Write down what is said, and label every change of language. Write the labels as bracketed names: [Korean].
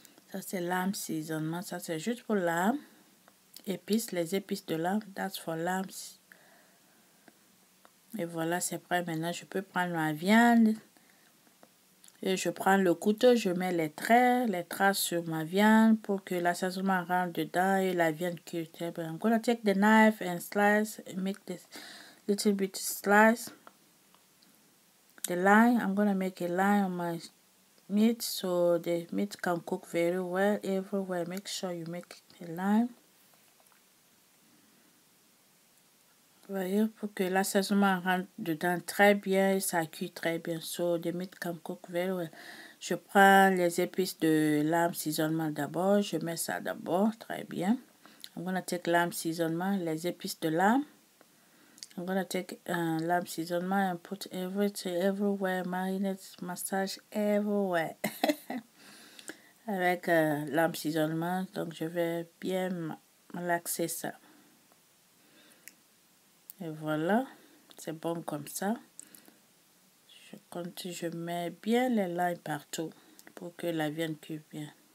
[French] Ça, c'est lamb seasonement. Ça, c'est juste pour lamb. Épices, les épices de lamb. [English] That's for lamb. [French] Et voilà, c'est prêt maintenant. Je peux prendre ma viande. Et je prends le couteau, je mets les traits, les traces sur ma viande pour que l'assaisonnement rentre dedans et la viande cuite. [English] I'm gonna take the knife and slice and make this little bit slice. The line, I'm gonna make a line on my meat so the meat can cook very well everywhere. Make sure you make a line. [French] Voyez, pour que l'assaisonnement rentre dedans très bien, ça cuit très bien. [English] So, the meat can cook very well. [French] Je prends les épices de lamb seasonement d'abord. Je mets ça d'abord, très bien. [English] I'm gonna take lamb seasonement, [French] les épices de lamb. [English] I'm gonna take lamb seasonement and put everything everywhere, marinade, massage everywhere. [French] Avec lamb seasonement, donc je vais bien malaxer ça. Et voilà, c'est bon comme ça. Je mets bien les lignes partout pour que la viande cuit bien.